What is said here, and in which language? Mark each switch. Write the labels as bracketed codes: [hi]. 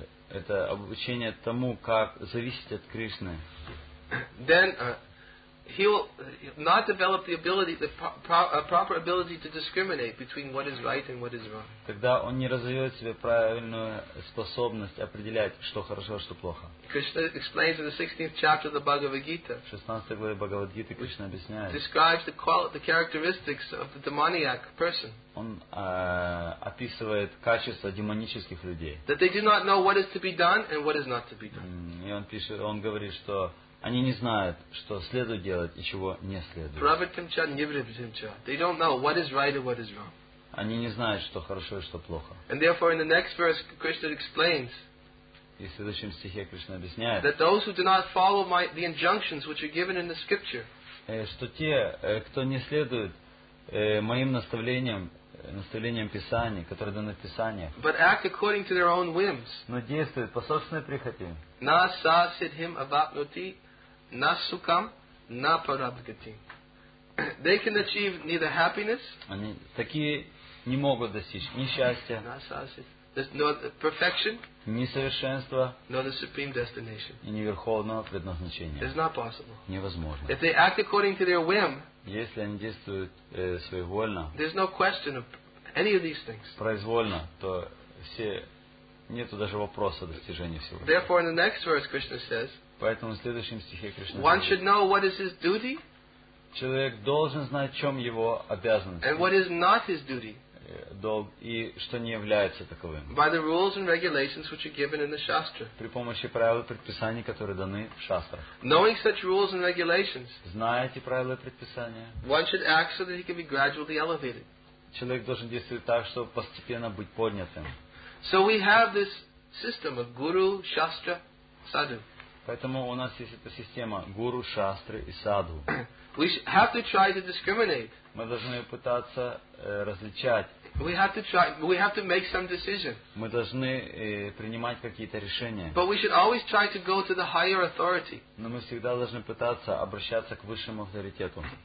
[ru] Это обучение тому, как зависеть от Кришны. [en] Then he will not develop the ability, the proper ability to discriminate between what is right and what is wrong. [ru] Тогда он не развивает в себе правильную способность определять, что хорошо, что плохо. [en] Krishna explains in the 16th chapter of the Bhagavad Gita. [ru] 16 главе Бхагавад Гиты Кришна объясняет. [en] Describes the characteristics of the demoniac person. [ru] Он описывает качества демонических людей. [en] That they do not know what is to be done and what is not to be done. [ru] И он пишет, он говорит, что они не знают, что следует делать и чего не следует. [sa] Pravartamcha, nivartamcha. [en] They don't know what is right and what is wrong. [ru] Они не знают, что хорошо и что плохо. [en] And therefore, in the next verse, Krishna explains. [ru] И в следующем стихе Кришна объясняет. [en] That those who do not follow the injunctions which are given in the scripture. [ru] Что те, кто не следует моим наставлениям, наставлениям Писания, которые даны в Писании. [en] But act according to their own whims. [ru] Но действуют по собственной прихоти. [sa] На са сидхим аватнути. На сукам, на парабгати. [en] They can achieve neither happiness. [ru] Они такие не могут достичь ни счастья. [sa] На сасид. [en] Nor perfection. [ru] Ни совершенства. [en] Nor the supreme destination. [ru] И ни верховного предназначения. [en] It's not possible. [ru] Невозможно. [en] If they act according to their whim. [ru] Если они действуют своевольно. [en] There's no question of any of these things. [ru] Произвольно, то все нету даже вопроса достижения всего. [en] Therefore, in the next verse, Krishna says. [ru] Поэтому в следующем стихе Кришна. [en] One should know what is his duty. [ru] Человек должен знать, в чем его обязанность. [en] And what is not his duty. [ru] Долг и что не является таковым. [en] By the rules and regulations which are given in the Shastra. [ru] При помощи правил и предписаний, которые даны в шастрах. [en] Knowing such rules and regulations. [ru] Зная эти правила и предписания. [en] One should act so that he can be gradually elevated. [ru] Человек должен действовать так, чтобы постепенно быть поднятым. [en] So we have this system of guru, shastra, sadhu. [ru] Поэтому у нас есть эта система гуру, шастры и садху. [en] We have to try to discriminate. [ru] Мы должны пытаться различать. [en] We have to try. We have to make some decision. [ru] Мы должны принимать какие-то решения. [en] But we should always try to go to the higher authority. [ru] Но мы всегда должны пытаться обращаться к высшему авторитету.